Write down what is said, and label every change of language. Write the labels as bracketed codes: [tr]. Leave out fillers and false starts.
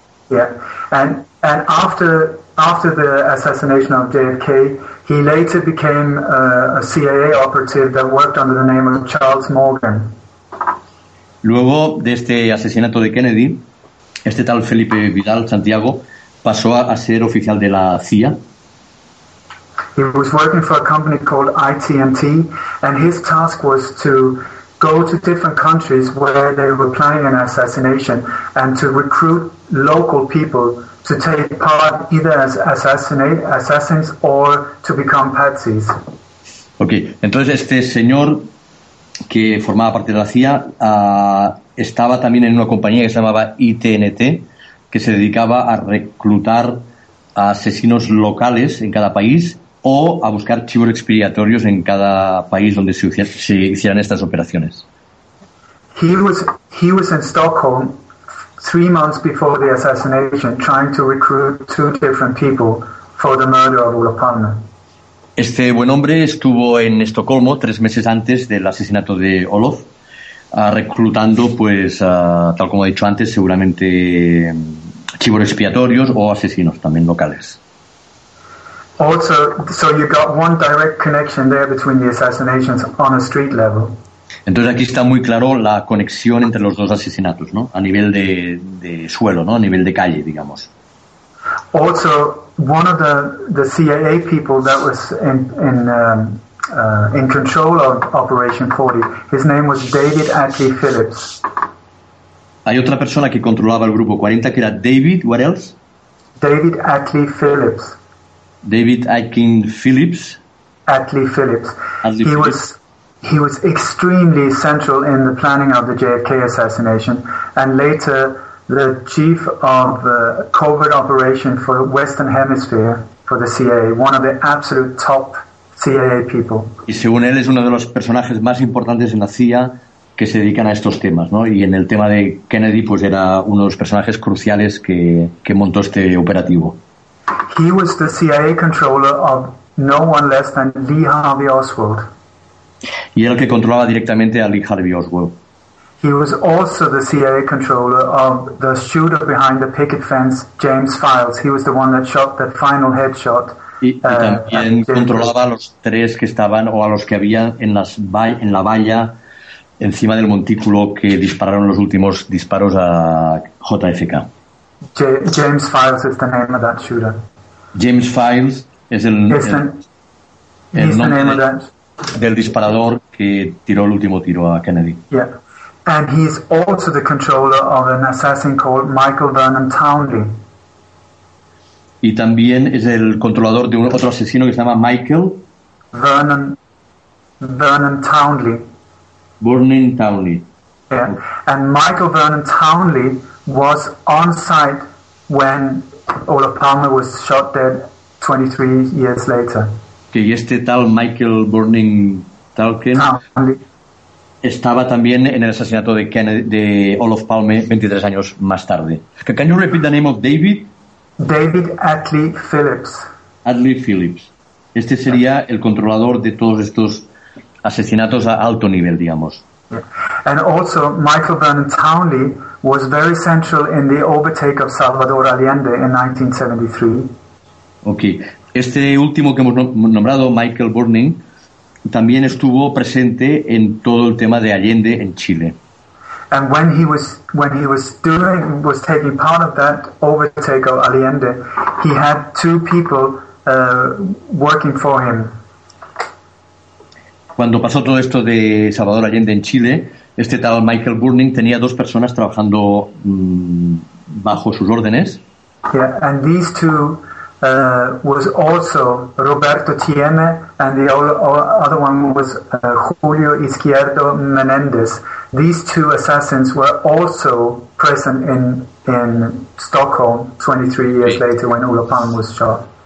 [en] Yeah, and after the assassination of JFK, he later became a CIA operative that worked under the name of Charles Morgan. [es] Luego de este asesinato de Kennedy, este tal Felipe Vidal Santiago pasó a ser oficial de la CIA. [en] He was working for a company called IT&T, and his task was to go to different countries where they were planning an assassination and to recruit local people to take part either as assassins or to become patsies. [es] Okay, entonces este señor que formaba parte de la CIA estaba también en una compañía que se llamaba IT&T, que se dedicaba a reclutar a asesinos locales en cada país o a buscar chivos expiatorios en cada país donde se hicieran estas operaciones. [en] He was in Stockholm 3 months before the assassination trying to recruit 2 different people for the murder of Olof Palme. [es] Este buen hombre estuvo en Estocolmo 3 meses antes del asesinato de Olof, reclutando, pues, tal como he dicho antes, seguramente chivos expiatorios o asesinos también locales. [en] Also, so you got one direct connection there between the assassinations on a street level. [es] Entonces aquí está muy claro la conexión entre los dos asesinatos, ¿no? A nivel de suelo, ¿no? A nivel de calle, digamos. [en] Also, one of the CIA people that was in control of Operation 40, his name was David Attlee Phillips. [es] Hay otra persona que controlaba el grupo 40 que era David, [en] what else? David Attlee Phillips. David Atkin Phillips. Attlee Phillips. Atlee Phillips. was He was extremely central in the planning of the JFK assassination, and later the chief of the covert operation for Western Hemisphere for the CIA, one of the absolute top CIA people. [es] Y según él es uno de los personajes más importantes en la CIA que se dedican a estos temas, ¿no? Y en el tema de Kennedy, pues era uno de los personajes cruciales que montó este operativo. [en] He was the CIA controller of no one less than Lee Harvey Oswald. [es] Y era el que controlaba directamente a Lee Harvey Oswald. [en] He was also the CIA controller of the shooter behind the picket fence, James Files. He was the one that shot the final headshot. [es] Y también controlaba a los tres que estaban o a los que había en la valla encima del montículo que dispararon los últimos disparos a JFK. [en] James Files is the name of that shooter. [es] James Files es el [en] nombre. He's the name of that. [es] Del disparador que tiró el último tiro a Kennedy. [en] Yeah, and he is also the controller of an assassin called Michael Vernon Townley. [es] Y también es el controlador de otro asesino que se llama Michael Vernon Townley. Vernon Townley. [en] Yeah, and Michael Vernon Townley was on site when Olof Palme was shot dead 23 years later. [es] Que este tal Michael Burning Talken estaba también en el asesinato de Kennedy, de Olof Palme 23 años más tarde. [en] Can you repeat the name of David? David Atlee Phillips. Atlee Phillips. [es] Este sería el controlador de todos estos asesinatos a alto nivel, digamos. [en] And also Michael Vernon Townley was very central in the overtake of Salvador Allende in 1973. Okay. [es] Este último que hemos nombrado, Michael Burning, también estuvo presente en todo el tema de Allende en Chile. [en] And when he was taking part of that overtake of Allende, he had two people working for him. [es] Cuando pasó todo esto de Salvador Allende en Chile, este tal Michael Burning tenía dos personas trabajando bajo sus órdenes. [en] Yeah, and these two was also Roberto Tieme, and the other one was Julio Izquierdo Menéndez. These two assassins were also present in Stockholm 23 years later when Olof Palme was shot.